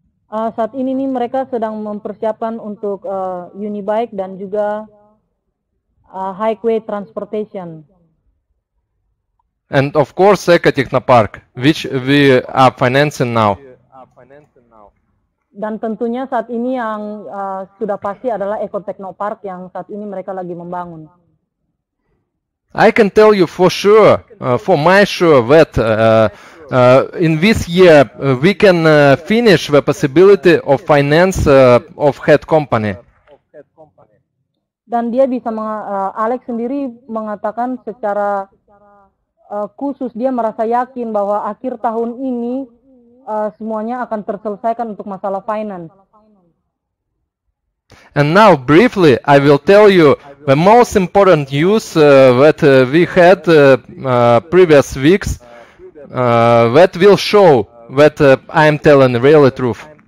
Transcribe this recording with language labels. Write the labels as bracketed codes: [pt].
[id] Saat ini nih mereka sedang mempersiapkan untuk unibike dan juga highway transportation. [en] And of course, Eka Technopark, which we are financing now. [id] Dan tentunya saat ini yang sudah pasti adalah Eco Technopark yang saat ini mereka lagi membangun. [en] I can tell you for sure, for my sure that in this year we can finish the possibility of finance of head company. [id] Dan dia bisa Alex sendiri mengatakan secara khusus dia merasa yakin bahwa akhir tahun ini semuanya akan terselesaikan untuk masalah finance. [en] And now briefly I will tell you the most important news that we had previous weeks that will show that I am telling the real truth.